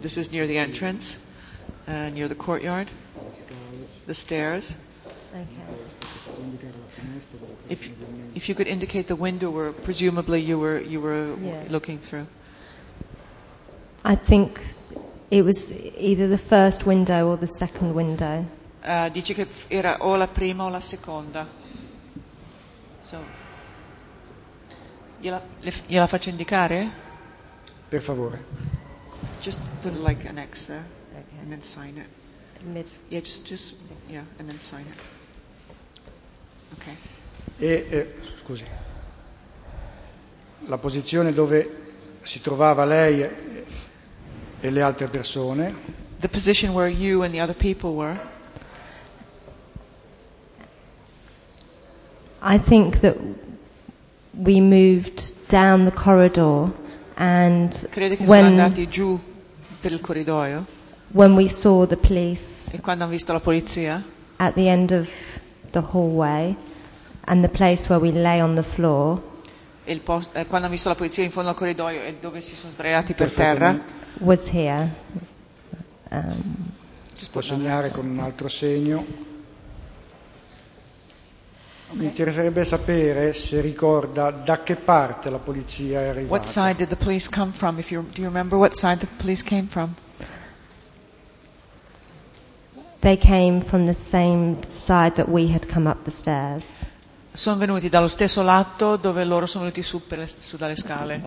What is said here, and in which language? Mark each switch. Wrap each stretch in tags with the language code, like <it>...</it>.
<en>This is near the entrance, near the courtyard, the stairs. Okay. If you could indicate the window where presumably you were yeah. looking through. I think it was either the first window or the second window.</en> <it>Dice che era o la prima o la seconda. So. Gliela faccio indicare? Per favore.</it> <en>Just put like an X there, okay. And then sign it. Mid. Yeah, just yeah, and then sign it. Okay.</en> <it>Scusi. La posizione dove si trovava lei e le altre persone.</it> <en>The position where you and the other people were. I think that we moved down the corridor and</en> <it>crede che sono andati giù per il corridoio.</it> <en>When we saw the police</en> <it>e quando hanno visto la polizia</it> <en>at the end of the hallway and the place where we lay on the floor</en> <it>quando hanno visto la polizia in fondo al corridoio e dove si sono sdraiati per terra</it> <en>was here.</en> <it>Si può segnare con un altro segno. Mi interesserebbe sapere se ricorda da che parte la polizia è arrivata.</it> <en>What side did the police come from? Do you remember what side the police came from? They came from the same side that we had come up the stairs.</en> <it>Sono venuti dallo stesso lato dove loro sono venuti su dalle scale.</it>